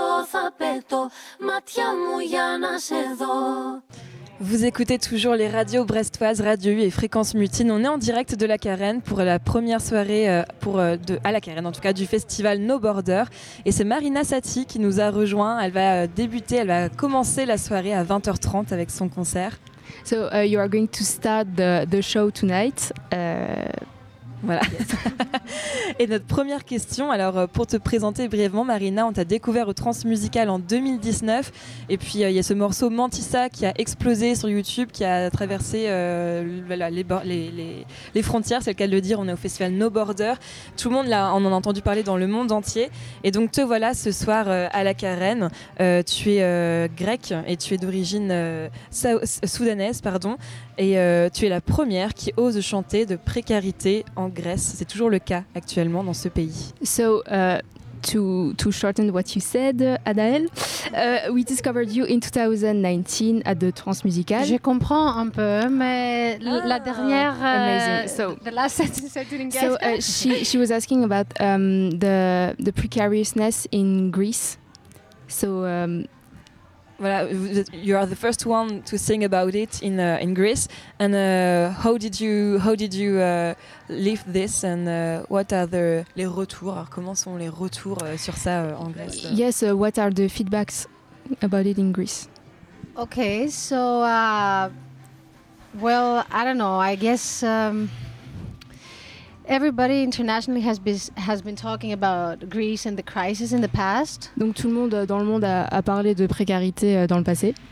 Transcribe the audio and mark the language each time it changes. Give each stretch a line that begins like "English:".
Greek: Θα πέτω, μάτια μου για να σε δω.
French: Vous écoutez toujours les radios brestoises, Radio U et Fréquence Mutine. On est en direct de la Carène pour la première soirée à la Carène, en tout cas du festival No Border. Et c'est Marina Satie qui nous a rejoint. Elle va commencer la soirée à 20h30 avec son concert.
English: So you are going to start the show tonight.
French: Voilà. Yes. Et notre première question, alors pour te présenter brièvement, Marina, on t'a découvert au Transmusical en 2019. Et puis il y a ce morceau Mantissa qui a explosé sur YouTube, qui a traversé les frontières, c'est le cas de le dire. On est au festival No Border. Tout le monde en a entendu parler dans le monde entier. Et donc te voilà ce soir à la Carène. Tu es grec et tu es d'origine soudanaise, pardon. Et tu es la première qui ose chanter de précarité en Grèce. C'est toujours le cas actuellement dans ce pays.
English: So, to shorten what you said, Adael, we discovered you in 2019 at the Transmusical.
French: Je comprends un peu, mais la dernière... Amazing.
English: She was asking about the precariousness in Greece. So... Voilà, you are the first one to sing about it in Greece. And how did you leave this? And what are the les retours?
French: Alors, comment sont les retours sur ça en Grèce?
English: Yes, what are the feedbacks about it in Greece? Okay, so well, I don't know. I guess everybody internationally has been talking about Greece and the crisis in the past.
French: Donc tout le monde dans le monde a parlé de précarité dans le passé.